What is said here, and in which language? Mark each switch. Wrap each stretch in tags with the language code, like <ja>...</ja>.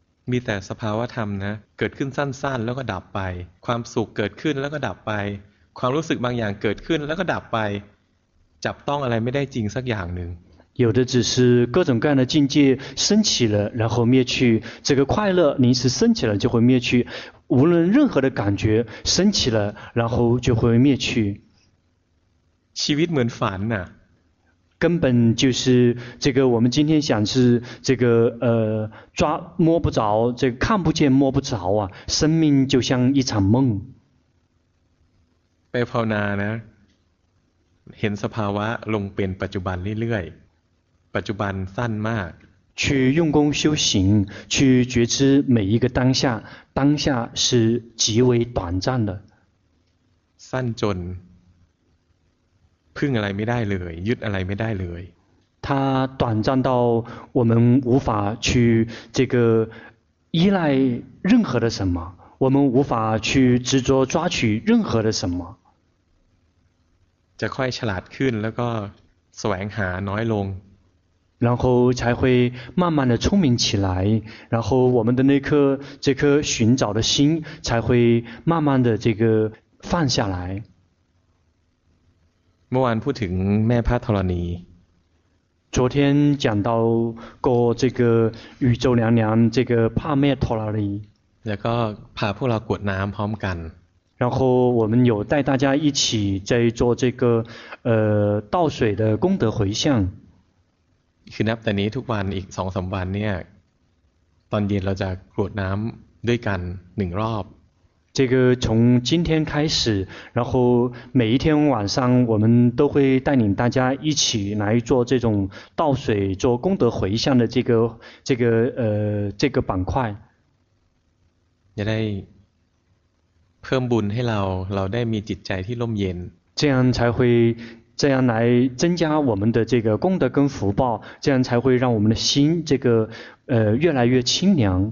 <th>มีแต่สภาวะธรรมนะเกิดขึ้นสั้นๆแล้วก็ดับไปความสุขเกิดขึ้นแล้วก็ดับไปความรู้สึกบางอย่างเกิดขึ้นแล้วก็ดับไปจับต้องอะไรไม่ได้จริงสักอย่างหนึ่ง</th> <zh>有的只是各种各样的境界升起了然后灭去这个快乐临时升起了就会灭去无论任何的感觉升起了然后就会灭去</zh> <th>ชีวิตเหมือนฝันน่ะ</th> <zh>根本就是这个我们今天想是这个抓摸不着这个看不见摸不着啊生命就像一场梦</zh> <th>ไปภาวนานะเห็นสภาวะลงเป็นปัจจุบันเรื่อยๆปัจจุบันสั้นมาก</th> <zh>去用功修行去觉知每一个当下当下是极为短暂的</zh> <th>สั้นจนพึ่งอะไรไม่ได้เลยยึดอะไรไม่ได้เลย</th> <zh>它短暂到我们无法去这个依赖任何的什么我们无法去执着抓取任何的什么</zh> <th>จะค่อยฉลาดขึ้นแล้วก็แสวงหาน้อยลง</th> <zh>然后才会慢慢的聪明起来然后我们的那颗这颗寻找的心才会慢慢的这个放下来</zh> <th>เมื่อวานพูดถึงแม่พระธรณี</th> <zh>昨天讲到过这个宇宙娘娘这个帕妹陀拉尼</zh> <th>แล้วก็พาพวกเรากวดน้ำพร้อมกัน</th> <zh>然后我们有带大家一起在做这个倒水的功德回向</zh> <th>คือนับแต่นี้ทุกวันอีก 2-3 วันเนี่ยตอนเย็นเราจะกรวดน้ำด้วยกัน1รอบ</th> <zh>这个从今天开始然后每一天晚上我们都会带领大家一起来做这种倒水做功德回向的这个板块</zh> <th>จะได้เพิ่มบุญให้เราได้มีจิตใจที่ร่มเย็น</th> <zh>这样才会这样来增加我们的这个功德跟福报这样才会让我们的心这个越来越清凉</zh>